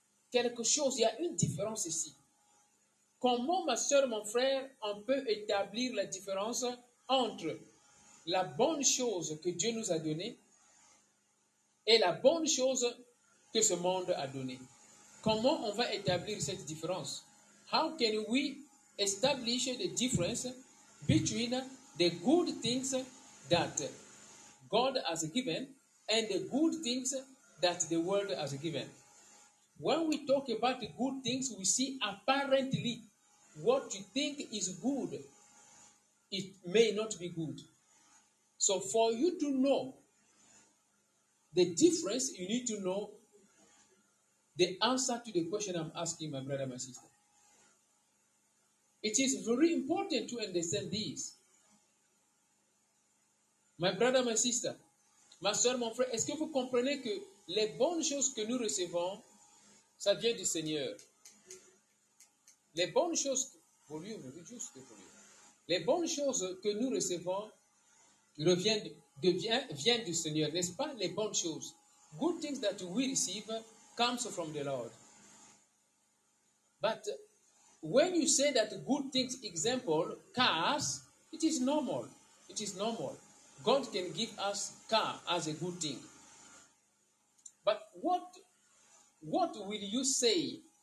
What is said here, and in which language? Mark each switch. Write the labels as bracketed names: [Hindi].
[French] Quelque chose, il y a une différence ici. Comment, ma soeur, mon frère, on peut établir la différence entre la bonne chose que Dieu nous a donnée et la bonne chose que ce monde a donnée. Comment on va établir cette différence? [English] How can we establish the difference between the good things that God has given and the good things that the world has given? When we talk about the good things, we see apparently what you think is good, it may not be good. So for you to know the difference, you need to know the answer to the question I'm asking, my brother, my sister. It is very important to understand this. My brother, my sister, [French] ma soeur, mon frère, est-ce que vous comprenez que les bonnes choses que nous recevons, ça vient du Seigneur? Les bonnes choses, volume, juste volume. Les bonnes choses que nous recevons viennent du Seigneur, n'est-ce pas? Les bonnes choses. [English] Good things that we receive comes from the Lord. But when you say that good things, example, cars, it is normal. It is normal. God can give us car as a good thing. But what will you say?